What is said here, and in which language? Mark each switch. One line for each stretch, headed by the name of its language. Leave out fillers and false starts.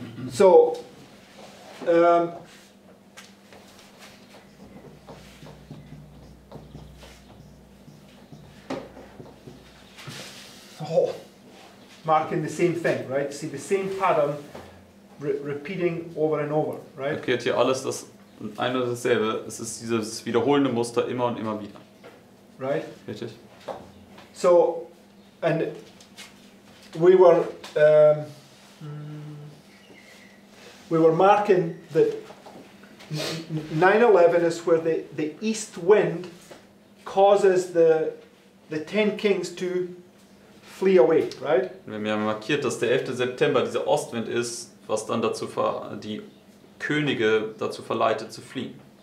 English: So, marking the same thing, right? See, the same pattern repeating over and over, right?
German: Erklärt hier alles das eine und dasselbe. Es ist dieses wiederholende Muster immer und immer wieder. Right? Richtig.
English: So, and we were marking that 9/11 is where the east wind causes the 10 kings to flee away, right?
German: Wir haben markiert, dass der 11. September dieser Ostwind ist, was dann dazu die Könige dazu verleitet zu fliehen.